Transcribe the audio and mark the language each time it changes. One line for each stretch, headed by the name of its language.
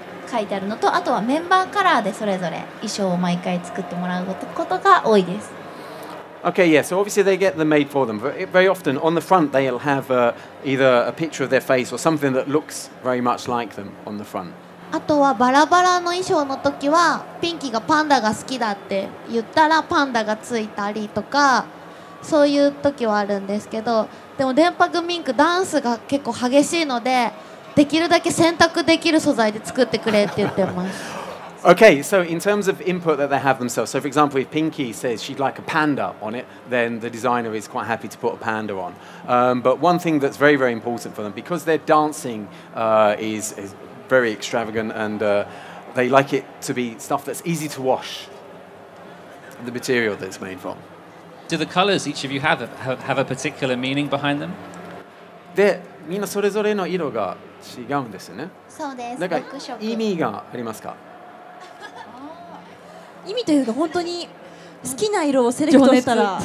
Japanese: 書いてあるのと、あとはメンバーカラーでそれぞれ衣装を毎回作ってもらうことが多いです。
English: Okay, yeah, so obviously they get them made for them. Very often on the front they'll have either a picture of their face or something that looks very much like them on the front.
Japanese: あとはバラバラの衣装の時はピンキーがパンダが好きだって言ったらパンダがついたりとか、そういう時はあるんですけど、でも電波組ミンクダンスが結構激しいので、できるだけ選択できる素材で作ってくれって言ってます。
English: Okay, so in terms of input that they have themselves, so for example, if Pinky says she'd like a panda on it, then the designer is quite happy to put a panda on. But one thing that's very, very important for them, because their dancing is very extravagant and they like it to be stuff that's easy to wash, the material that it's made from. Do the colors each of you have a particular meaning behind them?
Japanese: They're, みんなそれぞれの色が違うんですよね。そうです。なんか意味がありますか？意味というか本当に好きな色をセレクトしたら